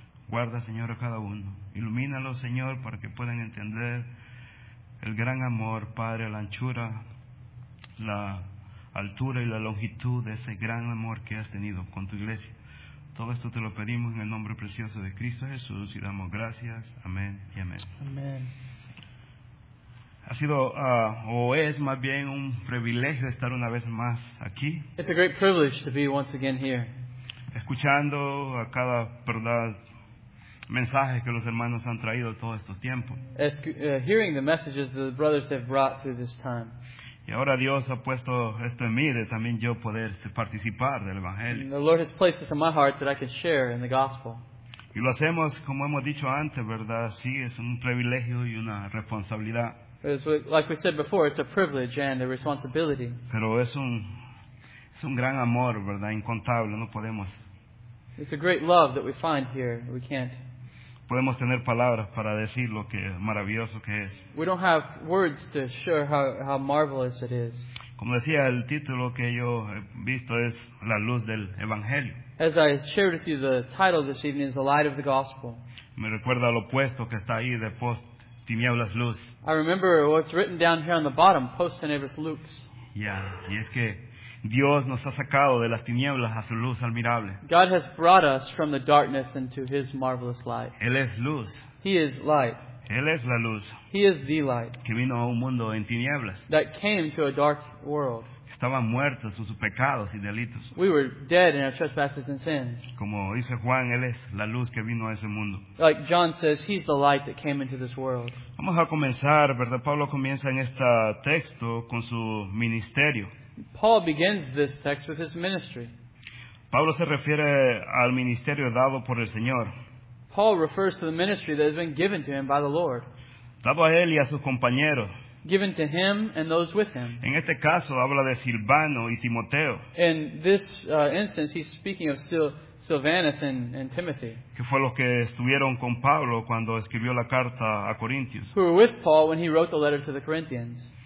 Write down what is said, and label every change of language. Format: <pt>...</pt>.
<es>Guarda, Señor, a cada uno. Ilumínalo, Señor, para que puedan entender el gran amor, Padre, la anchura, la altura y la longitud de ese gran amor que has tenido con tu iglesia. Todo esto te lo pedimos en el nombre precioso de Cristo Jesús y damos gracias. Amén y amén. Amén. Ha sido, o es más bien un privilegio estar una vez más aquí.</es> <en>It's a great privilege to be once again here.</en> <es>Escuchando a cada verdad mensaje que los hermanos han traído todos estos tiempos.</es> <en>Hearing the messages the brothers have brought through this time.</en> <es>Y ahora Dios ha puesto esto en mí de también yo poder participar del evangelio.</es> <en>And the Lord has placed this in my heart that I can share in the gospel.</en> <es>Y lo hacemos como hemos dicho antes, ¿verdad? Sí, es un privilegio y una responsabilidad.</es> <en>Like we said before, it's a privilege and a responsibility.</en> <es>Pero es un gran amor, ¿verdad? Incontable, no podemos.</es> <en>It's a great love that we find here. We can't.</en> <es>Podemos tener palabras para decir lo que maravilloso que es.</es> <en>We don't have words to show how marvelous it is.</en> <es>Como decía, el título que yo he visto es La Luz del Evangelio.</es> <en>As I shared with you, the title this evening is The Light of the Gospel.</en> <es>Me recuerda lo opuesto que está ahí de post tinieblas luz.</es> <en>I remember what's written down here on the bottom,</en> <la>post tinieblas lux.</la> <es>Yeah, y es que Dios nos ha sacado de las tinieblas a su luz admirable.</es> <en>God has brought us from the darkness into His marvelous light.</en> <es>Él es luz.</es> <en>He is light.</en> <es>Él es la luz.</es> <en>He is the light.</en> <es>Que vino a un mundo en tinieblas.</es> <en>That came to a dark world.</en> <es>Estaban muertos en sus pecados y delitos.</es> <en>We were dead in our trespasses and sins.</en> <es>Como dice Juan, Él es la luz que vino a ese mundo.</es> <en>Like John says, He's the light that came into this world.</en> <es>Vamos a comenzar, ¿verdad? Pablo comienza en este texto con su ministerio.</es> <en>Paul begins this text with his ministry.</en> <es>Pablo se refiere al ministerio dado por el Señor.</es> <en>Paul refers to the ministry that has been given to him by the Lord.</en> <es>Dado a él y a sus compañeros.</es> <en>Given to him and those with him.</en> <es>En este caso habla de Silvano y Timoteo.</es> <en>In this instance he's speaking of Silvanus and Timothy.</en> <es>Que fue los que estuvieron con Pablo cuando escribió la carta a Corintios.</es> <en>Who were with Paul when he wrote the letter to the Corinthians.</en>